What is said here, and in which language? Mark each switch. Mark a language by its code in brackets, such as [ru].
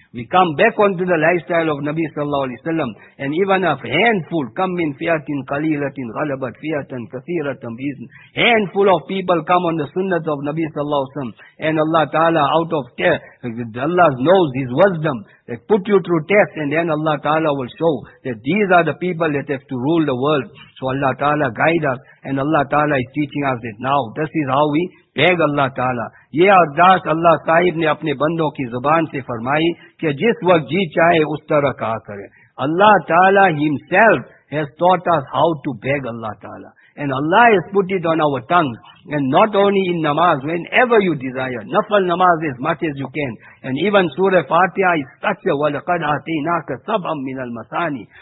[en] We come back onto the lifestyle of Nabi Sallallahu Alaihi Wasallam, and even a handful, come in [ar] fiatin qalilatin ghalabat fiatan kathiratan bizn, [en] handful of people come on the sunnah of Nabi Sallallahu Alaihi Wasallam, and Allah Ta'ala out of test, Allah knows His wisdom, that put you through test, and then Allah Ta'ala will show that these are the people that have to rule the world. So Allah Ta'ala guide us, and Allah Ta'ala is teaching us that now, this is how we beg Allah Ta'ala. [ur] یہ ارداس اللہ صاحب نے اپنے بندوں کی زبان سے فرمائی کہ جس وقت جی چاہے اس طرح کہا کرے. [en] اللہ تعالیٰ himself has taught us how to beg Allah تعالیٰ. And Allah has put it on our tongues. And not only in namaz, whenever you desire. Nafal namaz as much as you can. And even Surah Fatiha is such a [ar] وَلَقَدْ آتَيْنَاكَ سَبْعًا مِنَ الْمَثَانِي.